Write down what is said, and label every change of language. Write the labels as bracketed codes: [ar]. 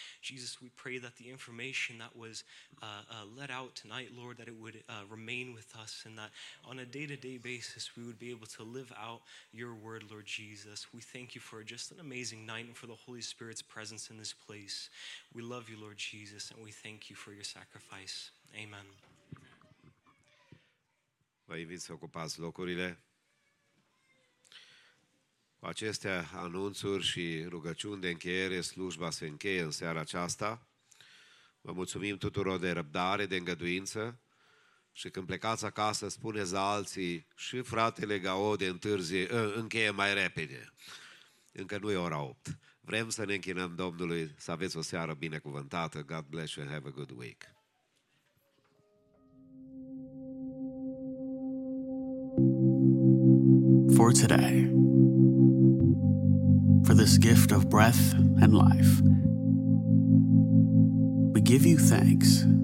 [en] Jesus, we pray that the information that was let out tonight, Lord, that it would remain with us, and that on a day-to-day basis, we would be able to live out your word, Lord Jesus. We thank you for just an amazing night and for the Holy Spirit's presence in this place. We love you, Lord Jesus, and we thank you for your sacrifice. Amen. [ro] Vă invit să ocupați locurile. Cu aceste anunțuri și rugăciuni de încheiere, slujba se încheie în seara aceasta. Vă mulțumim tuturor de răbdare, de îngăduință. Și când plecați acasă, spuneți la alții, și fratele Gaude încheie mai repede. Încă nu e ora 8. Vrem să ne închinăm Domnului, să aveți o seară binecuvântată. [en] God bless you and have a good week. For today, for this gift of breath and life, we give you thanks.